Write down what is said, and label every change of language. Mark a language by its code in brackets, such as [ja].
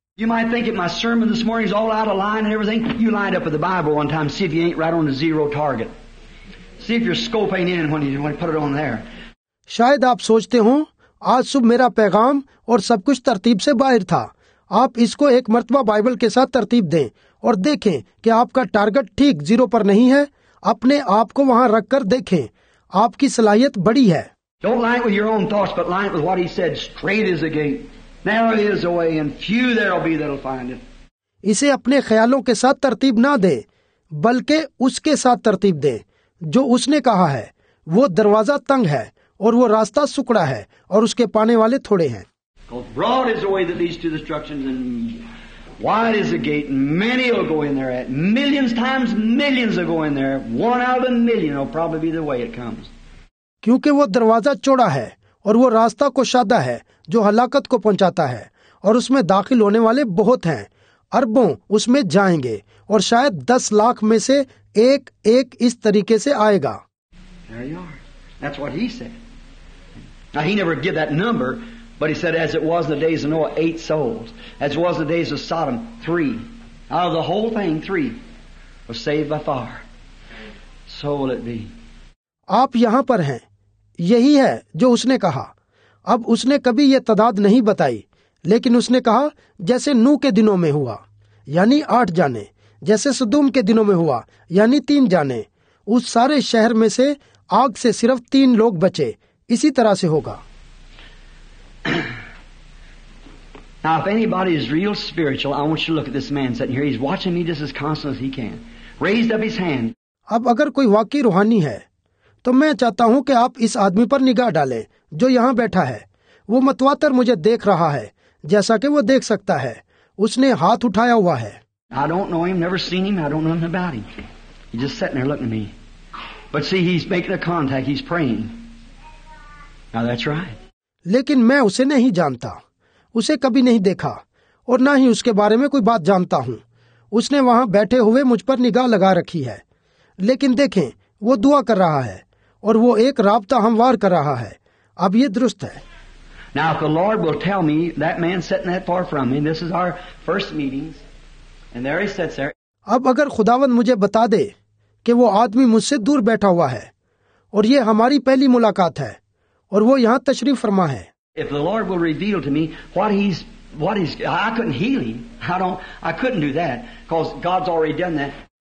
[en] You might think that my sermon this morning is all out of line and everything. You lined up with the Bible one time, see if you ain't right on the zero target. See if your scope ain't in when you put it on there. [hi] शायद आप सोचते हो आज सुबह मेरा पैगाम और सब कुछ तरतीब से बाहर था। आप इसको एक मर्तबा बाइबल के साथ तरतीब दें और देखें कि आपका टारगेट ठीक जीरो पर नहीं है। अपने आप को वहाँ रख कर देखें, आपकी सलाहियत बड़ी है। [en] Don't line it with your own thoughts, but line it with what he said. Straight is the gate, narrow is the way, and few there'll be that'll find it. [hi] इसे अपने ख्यालों के साथ तरतीब ना दे, बल्कि उसके साथ तरतीब दे जो उसने कहा है। वो दरवाजा तंग है और वो रास्ता सुकड़ा है और उसके पाने वाले थोड़े हैं। [en] Broad is the way that leads to destruction, and wide is the gate, and many will go in there. Millions times millions will go in there. One out of a million will probably be the way it comes. [hi] क्योंकि वो दरवाजा चौड़ा है और वो रास्ता कुशादा है जो हलाकत को पहुंचाता है, और उसमें दाखिल होने वाले बहुत हैं, अरबों उसमें जाएंगे, और शायद 10 लाख में से एक एक इस तरीके से आएगा। [en] There you are. That's what he said. Now he never gave that number, but he said as it was in the days of Noah, 8 souls. As it was in the days of Sodom, 3. Out of the whole thing, 3 was saved by fire. So will it be. [hi] आप यहाँ पर हैं, यही है जो उसने कहा। अब उसने कभी ये तादाद नहीं बताई, लेकिन उसने कहा जैसे नूह के दिनों में हुआ यानी 8 जाने, जैसे सदूम के दिनों में हुआ यानी 3 जाने, उस सारे शहर में से आग से सिर्फ 3 लोग बचे, इसी तरह से होगा। [en] Now if anybody is real spiritual, I want you to look at this man sitting here. He's watching me just as constantly as he can. Raised up his hand. [hi] अब अगर कोई वाकई रूहानी है तो मैं चाहता हूँ कि आप इस आदमी पर निगाह डालें जो यहाँ बैठा है। वो मतवातर मुझे देख रहा है जैसा कि वो देख सकता है। उसने हाथ उठाया हुआ है। [en] I don't know him, never seen him, I don't know nothing about him. He's just sitting there looking at me. But see, he's making a contact, he's praying. Now that's right. [hi] लेकिन मैं उसे नहीं जानता, उसे कभी नहीं देखा और ना ही उसके बारे में कोई बात जानता हूँ। उसने वहाँ बैठे हुए मुझ पर निगाह लगा रखी है, लेकिन देखें वो दुआ कर रहा है और वो एक राबता हमवार कर रहा है। अब ये दुरुस्त है। [en] Now if the Lord will tell me that man sitting that far from me, this is our first meetings, and there he sits there. [hi] अब अगर खुदावंद मुझे बता दे कि वो आदमी मुझसे दूर बैठा हुआ है और ये हमारी पहली मुलाकात है और वो यहाँ तशरीफ फरमा है। [en] If the Lord will reveal to me what he's, I couldn't heal him. I couldn't do that because God's already done that.